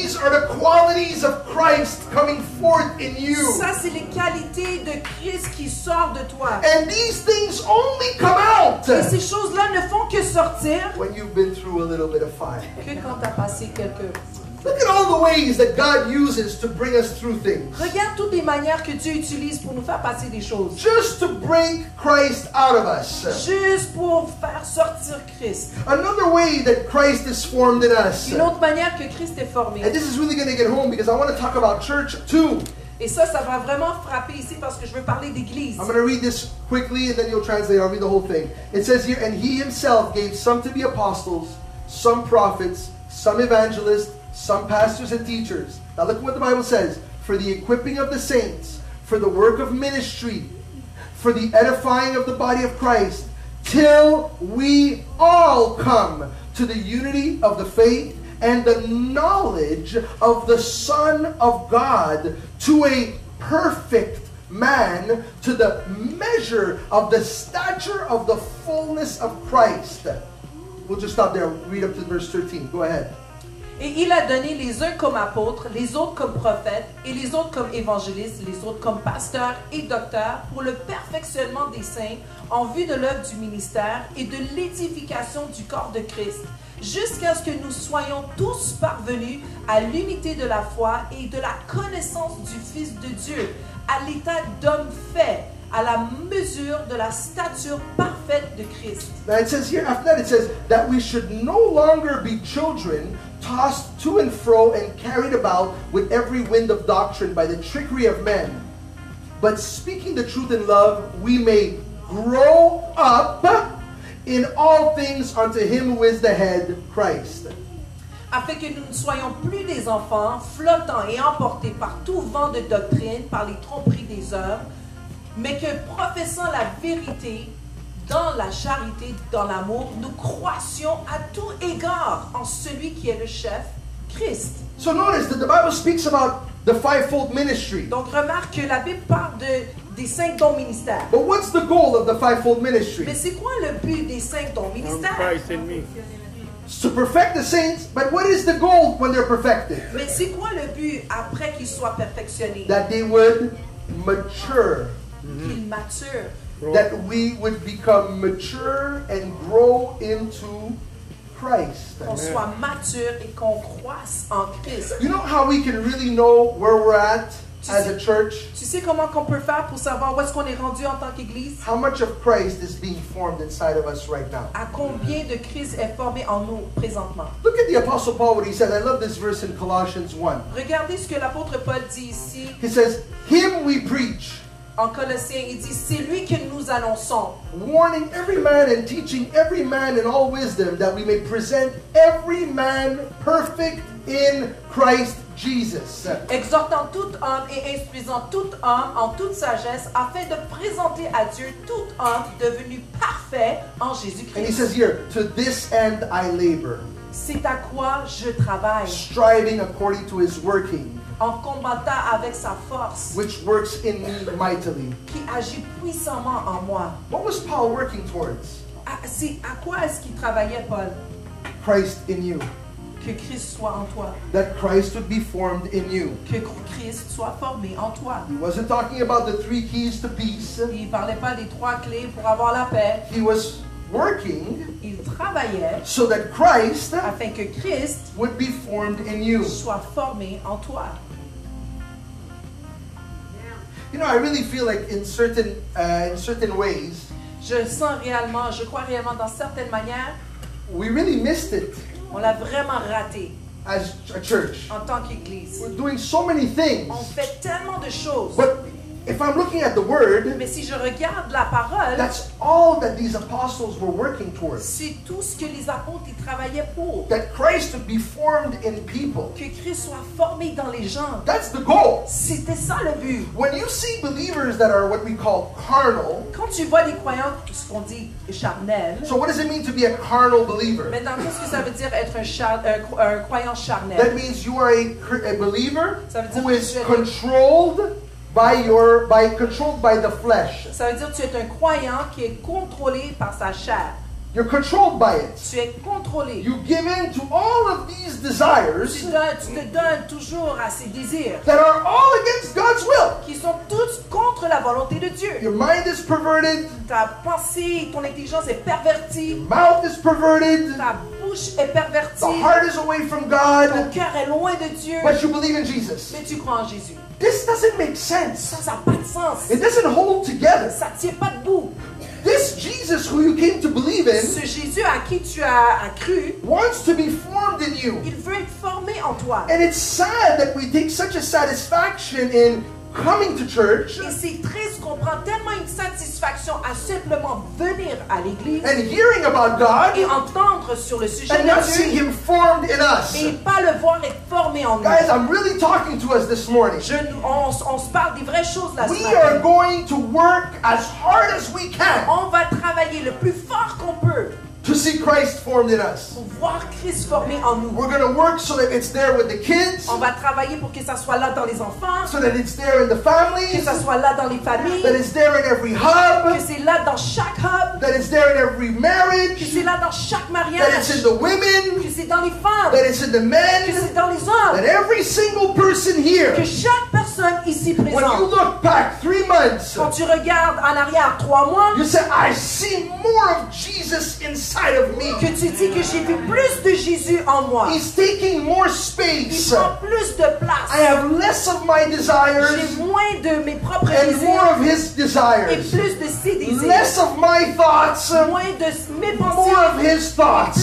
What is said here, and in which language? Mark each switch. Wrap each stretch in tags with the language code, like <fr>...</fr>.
<en>These are the qualities of Christ coming forth in you.</en> <fr>Ça c'est les qualités de Christ qui sortent de toi.</fr> <en>And these things only come out.</en> <fr>Et ces choses-là ne font que sortir.</fr> <en>When you've been through a little bit of fire.</en> <fr>Que quand t'as passé quelques.</fr> <en>Look at all the ways that God uses to bring us through things.</en> <fr>Regarde toutes les manières que Dieu utilise pour nous faire passer des choses.</fr> <en>Just to break Christ out of us.</en> <fr>Juste pour faire sortir Christ.</fr> <en>Another way that Christ is formed in us.</en> <fr>Une autre manière que Christ est formé.</fr> <en>And this is really going to get home because I want to talk about church too.</en> <fr>Et ça, ça va vraiment frapper ici parce que je veux parler d'église.</fr> <en>I'm going to read this quickly and then you'll translate. I'll read the whole thing. It says here, and he himself gave some to be apostles, some prophets, some evangelists, some pastors and teachers. Now look at what the Bible says. For the equipping of the saints, for the work of ministry, for the edifying of the body of Christ, till we all come to the unity of the faith and the knowledge of the Son of God, to a perfect man, to the measure of the stature of the fullness of Christ. We'll just stop there. Read up to verse 13. Go ahead.</en> <fr>Et il a donné les uns comme apôtres, les autres comme prophètes, et les autres comme évangélistes, les autres comme pasteurs et docteurs pour le perfectionnement des saints en vue de l'œuvre du ministère et de l'édification du corps de Christ, jusqu'à ce que nous soyons tous parvenus à l'unité de la foi et de la connaissance du Fils de Dieu, à l'état d'homme fait, à la mesure de la stature parfaite de Christ.</fr> <en>Now it says here, after that it says that we should no longer be children tossed to and fro and carried about with every wind of doctrine by the trickery of men. But speaking the truth in love, we may grow up in all things unto him who is the head, Christ.</en> <fr>Afin que nous ne soyons plus des enfants, flottant et emportés par tout vent de doctrine, par les tromperies des hommes, mais que professant la vérité dans la charité, dans l'amour, nous croissions à tout égard en celui qui est le chef, Christ.</fr> <en>So notice that the Bible speaks about the fivefold ministry.</en> <fr>Donc remarque que la Bible parle des cinq dons ministères.</fr> <en>But what's the goal of the fivefold ministry?</en> <fr>Mais c'est quoi le but des cinq dons ministères?</fr> <en>Christ in me. To perfect the saints, but what is the goal when they're perfected?</en> <fr>Mais c'est quoi le but après qu'ils soient perfectionnés?</fr> <en>That they would mature.</en> <fr>Mm-hmm. Qu'ils maturent.</fr> <en>That we would become mature and grow into Christ.</en> <fr>Qu'on soit mature et qu'on croisse en Christ.</fr> <en>You know how we can really know where we're at? as a church?</en> <fr>Tu sais comment qu'on peut faire pour savoir où est-ce qu'on est rendu en tant qu'église?</fr> <en>How much of Christ is being formed inside of us right now?</en> <fr>À combien de Christ est formé en nous présentement?</fr> <en>Look at the Apostle Paul, what he said. I love this verse in Colossians 1.</en> <fr>Regardez ce que l'apôtre Paul dit ici.</fr> <en>He says, "Him we preach."</en> <fr>En Colossiens, il dit, c'est lui que nous annonçons.</fr> <en>Warning every man and teaching every man in all wisdom that we may present every man perfect in Christ Jesus.</en> <fr>Exhortant tout homme et instruisant tout homme en toute sagesse afin de présenter à Dieu tout homme devenu parfait en Jésus-Christ.</fr> <en>And he says here, to this end I labor.</en> <fr>C'est à quoi je travaille.</fr> <en>Striving according to his working.</en> <fr>En combattant avec sa force,</fr> <en>which works in me mightily.</en> <fr>Qui agit puissamment en moi.</fr> <en>What was Paul working towards?</en> <fr>À quoi est-ce qu'il travaillait, Paul?</fr> <en>Christ in you.</en> <fr>Que Christ soit en toi.</fr> <en>That Christ would be formed in you.</en> <fr>Que Christ soit formé en toi.</fr> <en>He wasn't talking about the three keys to peace.</en> <fr>Il parlait pas des trois clés pour avoir la paix.</fr> <en>He was working,</en> <fr>il travaillait,</fr> <en>so that Christ,</en> <fr>afin que Christ</fr> <en>would be formed in you,</en> <fr>soit formé en toi.</fr> <en>You know, I really feel like in certain ways,</en> <fr>je sens réellement, je crois réellement dans certaines manières,</fr> <en>we really missed it.</en> <fr>On l'a vraiment raté.</fr> <en>As a church,</en> <fr>en tant qu'église,</fr> <en>we're doing so many things.</en> <fr>On fait tellement de choses.</fr> <en>But if I'm looking at the word,</en> <fr>mais si je regarde la parole,</fr> <en>that's all that these apostles were working towards.</en> <fr>C'est tout ce que les apôtres y travaillaient pour.</fr> <en>That Christ would be formed in people.</en> <fr>Que Christ soit formé dans les gens.</fr> <en>That's the goal.</en> <fr>C'était ça le but.</fr> <en>When you see believers that are what we call carnal,</en> <fr>quand tu vois des croyants, ce qu'on dit charnel.</fr> <en>So what does it mean to be a carnal believer?</en> <fr>Maintenant, qu'est-ce que ça veut dire être un croyant charnel?</fr> <en>That means you are a believer who is controlled. By controlled by the flesh.</en> <fr>Ça veut dire que tu es un croyant qui est contrôlé par sa chair.</fr> <en>You're controlled by it.</en> <fr>Tu es contrôlé.</fr> <en>You give in to all of these desires.</en> <fr>Tu te donnes toujours à ces désirs.</fr> <en>That are all against God's will.</en> <fr>Qui sont tous contre la volonté de Dieu.</fr> <en>Your mind is perverted.</en> <fr>Ta pensée, ton intelligence est pervertie.</fr> <en>Your mouth is perverted.</en> <fr>Ta bouche est pervertie.</fr> <en>The heart is away from God.</en> <fr>Ton cœur est loin de Dieu.</fr> <en>But you believe in Jesus.</en> <fr>Mais tu crois en Jésus.</fr> <en>This doesn't make sense.</en> <fr>Ça n'a pas de sens.</fr> <en>It doesn't hold together.</en> <fr>Ça ne tient pas debout.</fr> <en>This Jesus who you came to believe in,</en> <fr>ce Jésus à qui tu as cru,</fr> <en>wants to be formed in you.</en> <fr>Il veut être formé en toi.</fr> <en>And it's sad that we take such a satisfaction in coming to church.</en> <fr>Et c'est triste qu'on prend tellement une satisfaction à simplement venir à l'église.</fr> <en>And hearing about God.</en> <fr>Et entendre sur le sujet de Dieu.</fr> <en>And not seeing Him formed in us.</en> <fr>Et pas le voir être formé en nous.</fr> <en>Guys, I'm really talking to us this morning.</en> <fr>On se parle des vraies choses là.</fr> <en>We are going to work as hard as we can.</en> <fr>On va travailler le plus fort qu'on peut.</fr> <en>To see Christ formed in us.</en> <fr>Pour voir Christ formé en nous.</fr> <en>We're going to work so that it's there with the kids.</en> <fr>On va travailler pour que ça soit là dans les enfants.</fr> <en>So that it's there in the families.</en> <fr>Que ça soit là dans les familles.</fr> <en>That it's there in every hub.</en> <fr>Que c'est là dans chaque hub.</fr> <en>That it's there in every marriage.</en> <fr>Que c'est là dans chaque mariage.</fr> <en>That it's in the women.</en> <fr>Que c'est dans les femmes.</fr> <en>That it's in the men.</en> <fr>Que c'est dans les hommes.</fr> <en>That every single person here.</en> <fr>Que chaque personne ici présente.</fr> <en>When you look back 3 months.</en> <fr>Quand tu regardes en arrière 3 mois.</fr> <en>You say, I see more of Jesus inside. Of me.</en> <fr>Que tu dis que j'ai vu plus de Jésus en moi.</fr> <en>He's taking more space.</en> <fr>Il prend plus de place.</fr> <en>I have less of my desires.</en> <fr>J'ai moins de mes propres</fr> <en>and</en> <fr>désirs.</fr> <en>And more of His desires.</en> <fr>Et plus de ses désirs.</fr> <en>Less of my thoughts.</en> <fr>Moins de mes pensées.</fr> <en>More of His thoughts.</en>